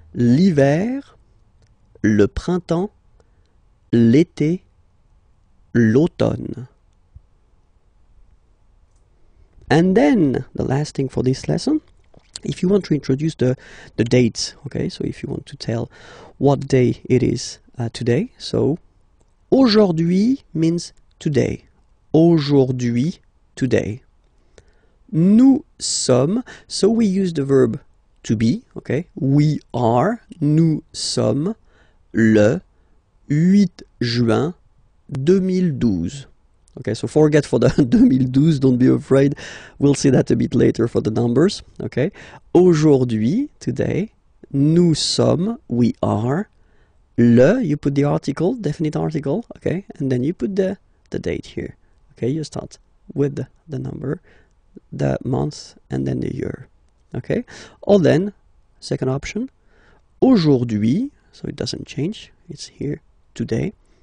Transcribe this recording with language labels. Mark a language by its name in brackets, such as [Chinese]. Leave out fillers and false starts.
[French] L'hiver, le printemps, l'été, l'automne. [English] And then, the last thing for this lesson, if you want to introduce the dates, okay, so if you want to tell what day it is, today, so aujourd'hui means today. Aujourd'hui, today. [French] Nous sommes, [English] so we use the verb to be, okay? We are, [French] nous sommes le 8 juin 2012. [English] Okay, so forget for the 2012, don't be afraid. We'll see that a bit later for the numbers, okay? Aujourd'hui, today, [French] nous sommes, [English] we are. Le, you put the article, definite article, okay? And then you put the date here, okay? You start with the number, the month, and then the year, okay? Or then, second option, aujourd'hui, so it doesn't change, it's here, today.